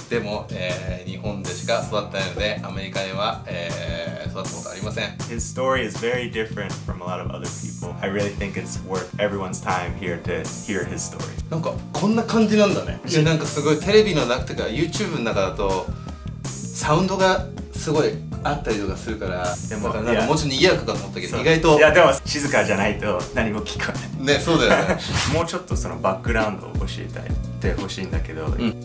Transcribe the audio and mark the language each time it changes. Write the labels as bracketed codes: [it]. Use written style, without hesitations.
[ja] でも、日本でしか育ったのでアメリカでは、育ったことありません。 [en] His story is very different from a lot of other people. I really think it's worth everyone's time here to hear his story. [ja] なんかこんな感じなんだね。いやなんかすごいテレビの中とか YouTube の中だとサウンドがすごいあったりとかするから、でもなんかもちろん賑やかかと思ったけど、意外といやでも静かじゃないと何も聞こえないね、そうだよねもうちょっとそのバックグラウンドを教えたいってほしいんだけど、うん、